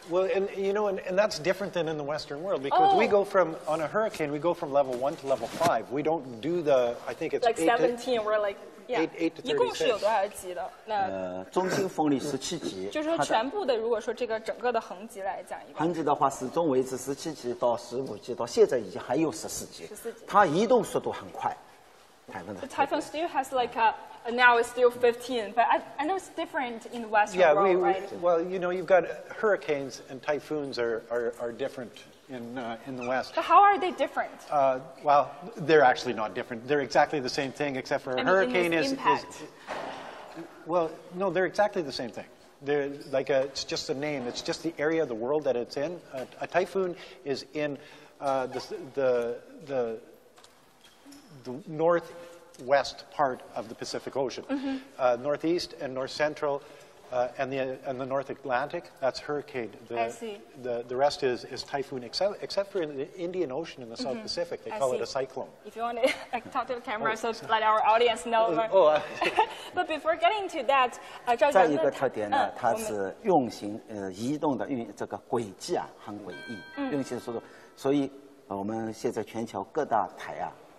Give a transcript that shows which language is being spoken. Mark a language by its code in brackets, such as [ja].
[en] Well, and that's different than in the Western world because we go from, on a hurricane, we go from level 1 to level 5. We don't do the, I think it's like 17, we're like, [zh] yeah.8级到17级。就是说全部的，如果说这个整个的横级来讲，横级的话，始终维持17级到15级，到现在已经还有14级。它移动速度很快。 [en] The typhoon still has like now it's still 15, but I know it's different in the Western world, right? Well, you know, you've got hurricanes and typhoons are different in the West. But how are they different? Well, they're actually not different. They're exactly the same thing, except for they're exactly the same thing. They're like it's just the name. It's just the area of the world that it's in. A typhoon is in the northwest part of the Pacific Ocean, mm-hmm. Northeast and north central, and the North Atlantic. That's hurricane. The rest is typhoon, except for in the Indian Ocean in the South mm-hmm. Pacific. They call it a cyclone. If you want to talk to the camera, let our audience know. But before getting to that, [zh] 再一个特点呢，它是运行移动的这个轨迹很诡异，运行速度，所以我们现在全球各大台啊。